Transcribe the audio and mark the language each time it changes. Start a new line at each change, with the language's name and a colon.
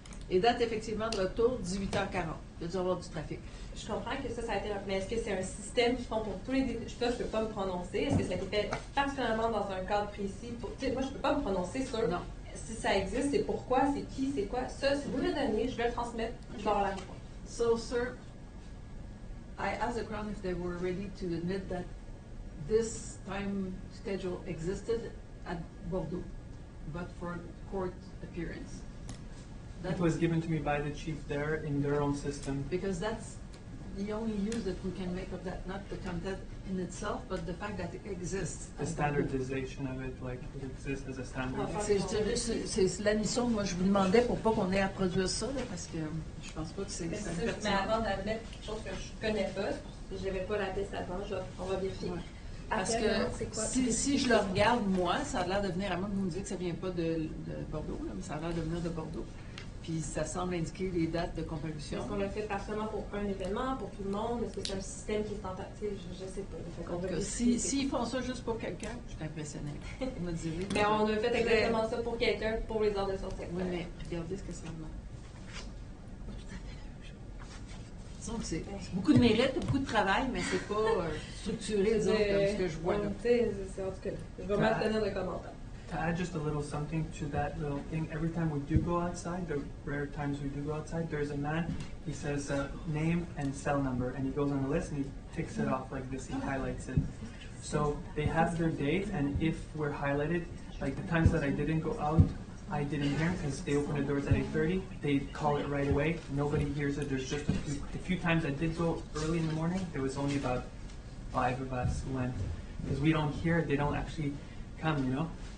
French: Et date effectivement de retour, 18h40. Il y a dû avoir du trafic. Je comprends que ça a été... Mais est-ce que c'est un système qui font pour tous les... Ça, je ne peux pas me prononcer. Est-ce que ça a été fait particulièrement dans un cadre précis? Moi, je ne peux pas me prononcer sur... Non. Si ça existe, c'est pourquoi, c'est qui, c'est quoi. Ça, si vous me donnez, je vais le transmettre. Je vais avoir la réponse.
English: So, sir, I asked the Crown if they were ready to admit that this time schedule existed at Bordeaux, but for court appearance. That was given to me by the chief there in their own system. Because that's the only use that we can make of that, not the content in itself, but the fact that it exists. The standardization of it, like it exists as a standard.
French: C'est la mission, moi je vous demandais pour pas qu'on ait à produire ça, là, parce que je pense pas que c'est... Mais avant d'admettre quelque chose que je connais pas, j'avais pas la piste avant, on va vérifier. Ouais. Parce que si je le regarde, moi, ça a l'air de venir, à moins que vous me disiez que ça ne vient pas de Bordeaux, là, mais ça a l'air de venir de Bordeaux. Puis ça semble indiquer les dates de comparution. Est-ce qu'on l'a fait pas seulement pour un événement, pour tout le monde? Est-ce que c'est un système qui est en partie? Je ne sais pas. S'ils font ça juste pour quelqu'un, je suis impressionnée. On a dit oui. Mais on a fait exactement ça pour quelqu'un, pour les heures de sortie. Oui, mais regardez ce que ça demande. Donc, c'est beaucoup de mérite, beaucoup de travail, mais c'est pas structuré, disons, comme ce que je vois. En tout cas, je vais maintenir le commentaire.
English: to add just a little something to that little thing, every time we do go outside, the rare times we do go outside, there's a man, he says name and cell number, and he goes on the list and he ticks it off like this, he highlights it. So they have their date, and if we're highlighted, like the times that I didn't go out, I didn't hear because they open the doors at 8:30, they call it right away, nobody hears it, there's just a few times I did go early in the morning, there was only about 5 of us who went, because we don't hear, they don't actually come, you know?